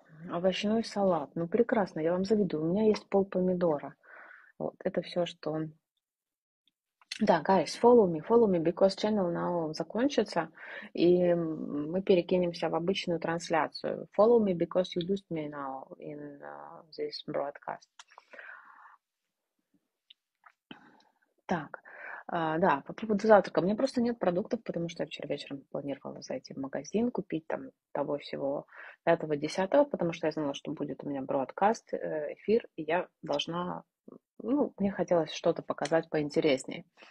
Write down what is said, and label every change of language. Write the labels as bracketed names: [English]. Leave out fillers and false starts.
[Russian] Овощной салат. Ну, прекрасно, я вам завидую. У меня есть пол помидора. Вот, это все, что... Да, [English] guys, follow me, because channel now [Russian] закончится, и мы перекинемся в обычную трансляцию. [English] Follow me, because you lose me now in this broadcast. [Russian] Так, да, по поводу завтрака. У меня просто нет продуктов, потому что я вчера вечером планировала зайти в магазин, купить там того всего пятого, десятого, потому что я знала, что будет у меня бродкаст, эфир, и я должна, ну, мне хотелось что-то показать поинтереснее.